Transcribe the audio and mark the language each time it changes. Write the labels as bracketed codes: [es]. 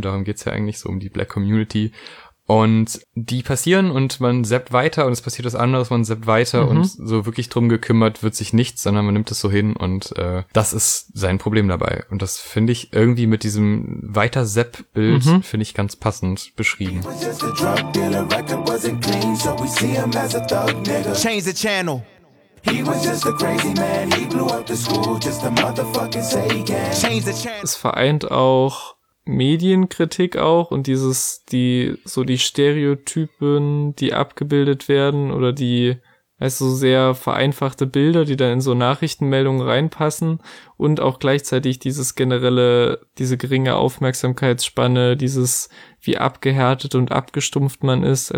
[de] Darum geht's ja eigentlich so, um die Black Community. Und die passieren und man zappt weiter und es passiert was anderes, man zappt weiter, mhm, und so wirklich drum gekümmert wird sich nichts, sondern man nimmt es so hin und das ist sein Problem dabei. Und das finde ich irgendwie mit diesem Weiter-Zapp-Bild, mhm, finde ich ganz passend beschrieben. [en] Change the channel. He was just a crazy man, he blew up the school, just a motherfucking say again. Change the channel. [de] Es vereint auch Medienkritik auch und dieses, die, so die Stereotypen, die abgebildet werden oder die, weißt du, sehr vereinfachte Bilder, die dann in so Nachrichtenmeldungen reinpassen und auch gleichzeitig dieses generelle, diese geringe Aufmerksamkeitsspanne, dieses, wie abgehärtet und abgestumpft man ist.